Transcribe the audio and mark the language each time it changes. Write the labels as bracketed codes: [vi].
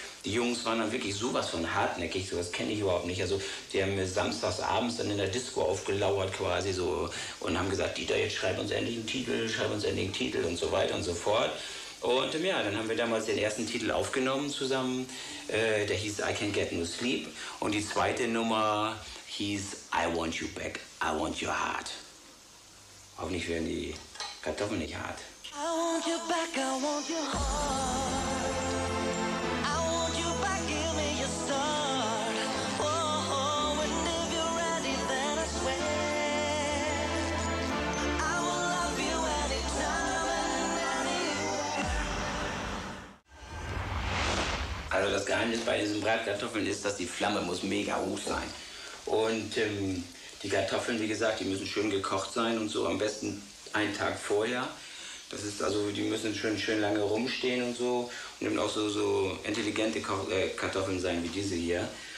[de] Die Jungs waren dann wirklich sowas von hartnäckig, sowas kenne ich überhaupt nicht. Also, die haben mir samstags abends dann in der Disco aufgelauert quasi so und haben gesagt, Dieter, jetzt schreib uns endlich einen Titel, schreib uns endlich einen Titel und so weiter und so fort. Und ja, dann haben wir damals den ersten Titel aufgenommen zusammen, der hieß I Can't Get No Sleep. Und die zweite Nummer hieß I Want You Back, I Want Your Heart. Hoffentlich werden die Kartoffeln nicht hart. [en] I want you back, I want your heart. I want you back, give me your start. Oh, and if you're ready, then I swear I will love you anytime and anywhere. [de] Also das Geheimnis bei diesen Bratkartoffeln ist, dass die Flamme muss mega hoch sein. Und die Kartoffeln, wie gesagt, die müssen schön gekocht sein und so am besten einen Tag vorher. Das ist also, die müssen schön lange rumstehen und so. Und eben auch so intelligente Kartoffeln sein wie diese hier.